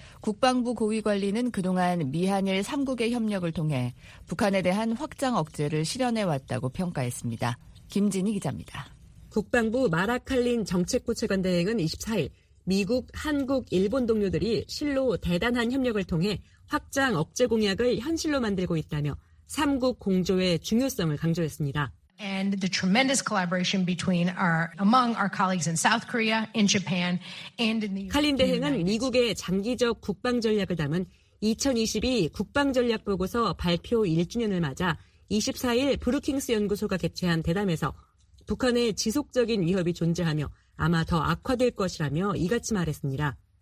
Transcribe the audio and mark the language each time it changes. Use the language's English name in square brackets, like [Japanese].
[Korean] 국방부 고위관리는 그동안 미한일 3국의 협력을 통해 북한에 대한 확장 억제를 실현해왔다고 평가했습니다. 김진희 기자입니다. 국방부 마라칼린 정책고체관 대행은 24일 미국, 한국, 일본 동료들이 실로 대단한 협력을 통해 확장 억제 공약을 현실로 만들고 있다며 3국 공조의 중요성을 강조했습니다. [English] And the tremendous collaboration between our among our colleagues in South Korea, in Japan, and in the [Korean] 칼린 대행은 미국의 장기적 국방 전략을 담은 2022 국방 전략 보고서 발표 1주년을 맞아 24일 브루킹스 연구소가 개최한 대담에서 북한의 지속적인 위협이 존재하며 아마 더 악화될 것이라며 이같이 말했습니다.